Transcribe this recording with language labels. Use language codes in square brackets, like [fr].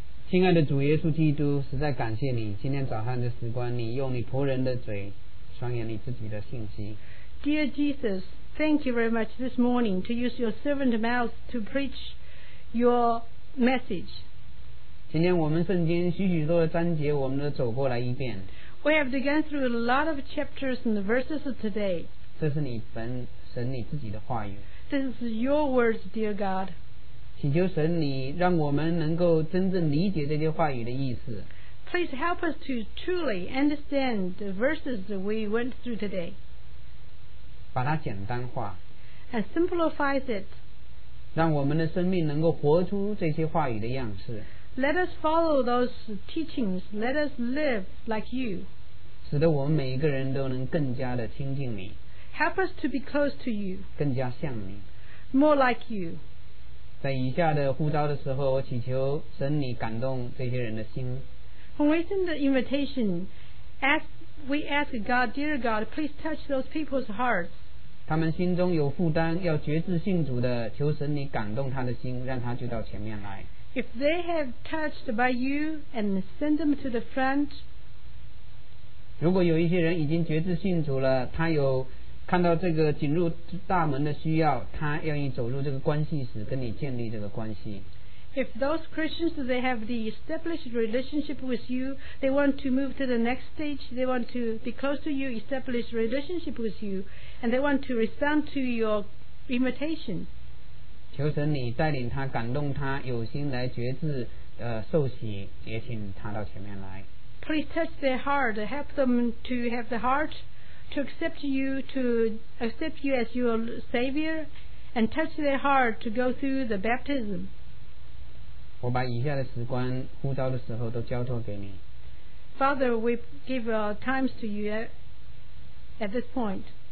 [zh] 亲爱的主耶稣基督，实在感谢你今天早上的时光，你用你仆人的嘴传扬你自己的信息。 [en] Dear Jesus, thank you very much this morning to use your servant mouth to preach your message. [zh] 今天我们圣经许许多的章节我们都走过来一遍。 [en] We have gone through a lot of chapters and verses today. [zh] 这是神你自己的话语。 [en] This is your words, dear God. [zh] 祈求神你让我们能够真正理解这些话语的意思。 [en] Please help us to truly understand the verses that we went through today. [zh] 把它简单化。 [en] And simplifies it. [zh] 让我们的生命能够活出这些话语的样式。 [en] Let us follow those teachings. Let us live like you. [zh] 使得我们每一个人都能更加的亲近你。 [en] Help us to be close to you. [zh] 更加像你。 [en] More like you. [zh] 在以下的呼召的时候，我祈求神你感动这些人的心。 [en] When we send the invitation, we ask God, dear God, please touch those people's hearts. [zh] 他们心中有负担，要决志信主的，求神你感动他的心，让他就到前面来。 [en] If they have touched by you and send them to the front. [zh] 如果有一些人已经决志信主了，他有看到这个进入大门的需要，他愿意走入这个关系时，跟你建立这个关系。 [en] If those Christians, they have the established relationship with you, they want to move to the next stage, they want to be close to you, establish relationship with you, and they want to respond to your invitation. [zh] 求神你带领他，感动他，有心来决志，受洗，也请他到前面来。 [en] Please touch their heart, help them to have the heart to accept you, to accept you as your Savior, and touch their heart to go through the baptism. [zh] 我把以下的时光呼召的时候都交托给你。 [en] Father, we give our times to you at this point.